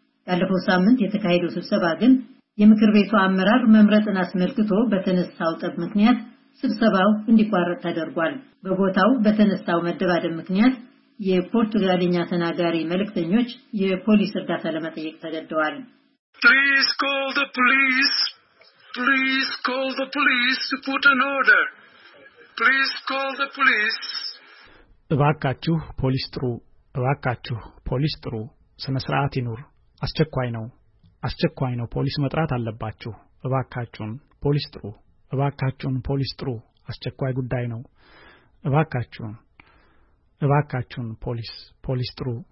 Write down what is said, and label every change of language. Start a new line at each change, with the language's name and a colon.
Amharic: ያለፈው ሳምንት የተካሄደው ስብሰባ ግን የምክር ቤቱ አመራር መምረጥን አስመልክቶ በተነሳው ጠብ ምክንያት ስብሰባው እንዲቋረጥ ተደርጓል። በቦታው በተነሳው መደባደብ ምክንያት የፖርቱጋልኛ ተናጋሪ መልእክተኞች የፖሊስ እርዳታ ለመጠየቅ ተገደዋል።
English: Please call the police. Please call the police to put an order. Please call the police.
Amharic: እባካችሁ ፖሊስ ጥሩ። እባካችሁ ፖሊስ ጥሩ። ስነ ስርዓት ይኑር። አስቸኳይ ነው። አስቸኳይ ነው። ፖሊስ መጥራት አለባችሁ። እባካችሁን ፖሊስ ጥሩ። እባካችሁን ፖሊስ ጥሩ። አስቸኳይ ጉዳይ ነው። እባካችሁን እባካችሁን ፖሊስ ፖሊስ ጥሩ።